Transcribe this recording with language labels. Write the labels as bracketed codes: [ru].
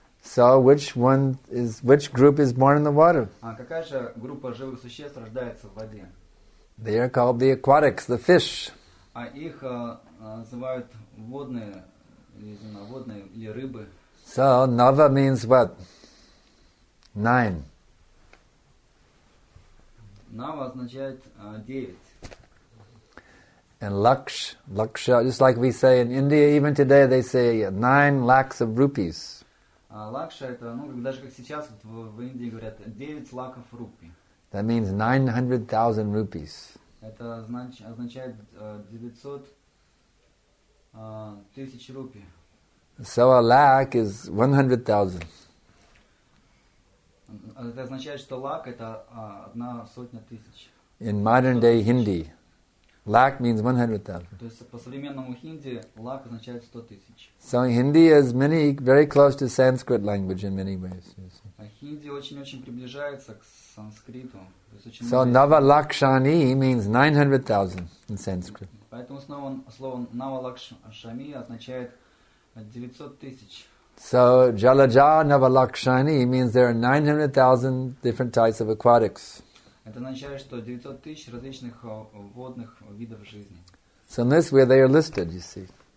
[en] So which group is born in the water? [ru] Какая же группа живых существ рождается в воде? [en] They are called the aquatics, the fish. [ru] А их называют водные или земноводные или рыбы. [en] So, nava means what? Nine. [ru] Nava означает девять. [en] And laksha, just like we say in India, even today they say 9 lakhs of rupees. [ru] Лакша это, ну, даже как сейчас в Индии говорят, 9 лакхов рупий. [en] That means 900,000 rupees. [ru] Это означает 900 тысяч рупий. [en] So a lakh is 100,000. [ru] Это означает, что лакh это одна сотня тысяч. [en] In modern day Hindi. Lakh means 100,000. [ru] То есть по современному хинди лак означает 100,000. [en] So Hindi is many very close to Sanskrit language in many ways. [ru] А хинди очень-очень приближается к санскриту. [en] So Navalakshani means 900,000 in Sanskrit. [ru] Поэтому слово Navalakshami означает 900,000. [en] So Jalaja Navalakshani means there are 900,000 different types of aquatics. [ru] Это означает, что 900 тысяч различных водных видов жизни. [en] So in this way they are listed, you see.